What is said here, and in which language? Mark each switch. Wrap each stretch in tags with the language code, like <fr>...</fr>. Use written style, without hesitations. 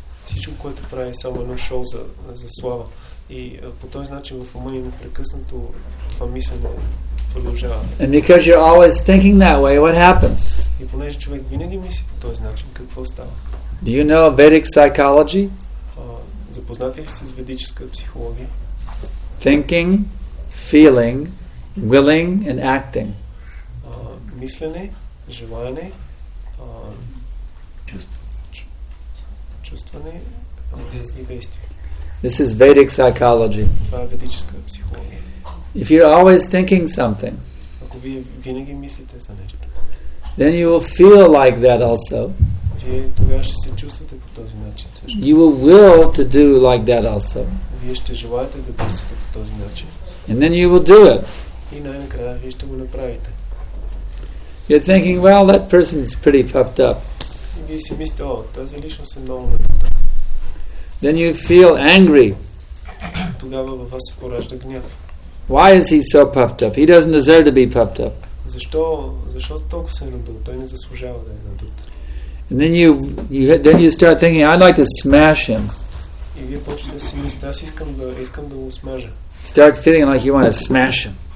<bg>Всичко, което прави, е само едно шоу за слава. И по този начин в ума ни непрекъснато това мислене продължава.</bg> <en>And because you're always thinking that way, what happens?</en> <bg>И понеже човек винаги мисли по този начин, какво става?</bg> <en>Do you know Vedic psychology?</en> <bg>Запознати ли сте с ведическа психология?</bg> <en>thinking, feeling, willing, and acting.</en> <bg>Мислене, желаяне, чувстване, и действие.</bg> <en>This is Vedic psychology.</en> <bg>Това е ведическа психология.</bg> <en>If you're always thinking something,</en> <bg>ако вие винаги мислите за нещо,</bg> <en>then you will feel like that also.</en> <bg>Вие тогава ще се чувствате по този начин.</bg> <en>You will to do like that also.</en> <bg>Вие ще желаете да действате по този начин.</bg> <en>And then you will do it.</en> <bg>И най-накрая вие ще го направите.</bg> <en>You're thinking, well, that person is pretty puffed up.</en> <bg>И вие си мислите, о, тази личност е много надута.</bg> <en>Then you feel angry.</en> <bg>Тогава във вас се поражда гняв.</bg> <en>Why is he so puffed up? He doesn't deserve to be puffed up.</en> <bg>Защо толкова се надул? Той не заслужава да е надут.</bg> <en>And then you start thinking, I'd like to smash him.</en> <bg>И вие почнете да си мислите, аз искам да го смажа.</bg> <en>Start feeling like you want to smash him.</en>